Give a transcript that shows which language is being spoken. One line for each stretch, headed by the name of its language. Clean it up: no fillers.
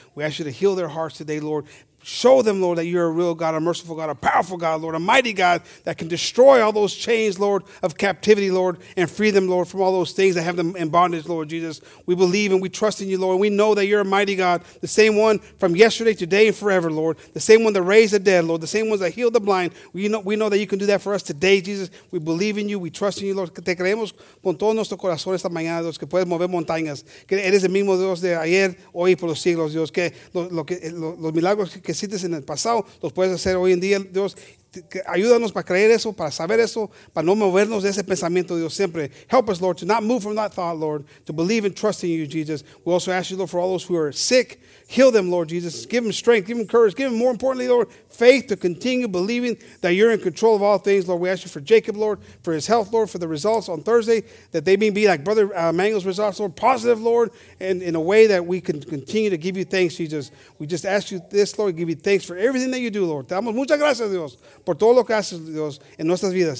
English: We ask you to heal their hearts today, Lord. Show them, Lord, that you're a real God, a merciful God, a powerful God, Lord, a mighty God that can destroy all those chains, Lord, of captivity, Lord, and free them, Lord, from all those things that have them in bondage, Lord Jesus. We believe and we trust in you, Lord, and we know that you're a mighty God, the same one from yesterday, today, and forever, Lord, the same one that raised the dead, Lord, the same ones that healed the blind. We know that you can do that for us today, Jesus. We believe in you. We trust in you, Lord.
Spanish: Te creemos con todo nuestro corazón esta mañana, Dios, que puedes mover montañas, que eres el mismo Dios de ayer, hoy y por los siglos, Dios, que los milagros que necesites en el pasado, los puedes hacer hoy en día, Dios. Ayúdanos para creer eso, para saber eso, para no movernos de ese pensamiento, Dios, siempre.
English: Help us, Lord, to not move from that thought, Lord, to believe and trust in you, Jesus. We also ask you, Lord, for all those who are sick, heal them, Lord Jesus. Give them strength, give them courage, give them, more importantly, Lord, faith to continue believing that you're in control of all things, Lord. We ask you for Jacob, Lord, for his health, Lord, for the results on Thursday, that they may be like Brother Emmanuel's results, Lord, positive, Lord, and in a way that we can continue to give you thanks, Jesus. We just ask you this, Lord, give you thanks for everything that you do, Lord.
Spanish: Te damos muchas gracias, Dios, por todo lo que haces, Dios, en nuestras vidas.